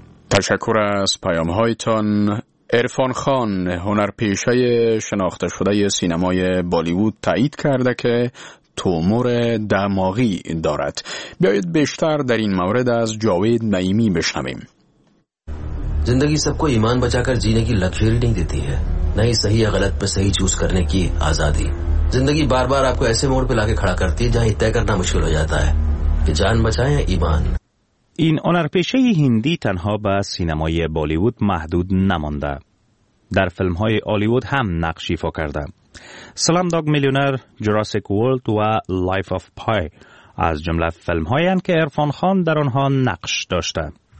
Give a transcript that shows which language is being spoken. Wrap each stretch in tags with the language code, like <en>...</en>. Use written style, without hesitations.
<fa>تشکر از پیام هایتان. عرفان خان، هنرپیشه شناخته شده سینمای بالیوود، تایید کرده که تومور دماغی دارد. بیایید بیشتر در این مورد از جاوید نعیمی بشنویم.</fa> <ur>زندگی سب کو ایمان بچا کر جینے کی لکھیری نہیں دیتی ہے، نہ ہی صحیح یا غلط پہ صحیح چوز کرنے کی آزادی. زندگی بار بار آپ کو ایسے موڑ پہ لا کے کھڑا کرتی ہے جہاں یہ طے کرنا مشکل ہو جاتا ہے کہ جان بچائیں یا ایمان.</ur> <fa>این هنرپیشه هندی تنها به سینمای بالیوود محدود نمانده، در فلم های هالیوود هم نقش ایفا کرده. سلام داگ میلیونر، جوراسیک ورلد و لایف آف پای از جمله فلم هایی هستند که عرفان خان در آنها نقش داشته.</fa>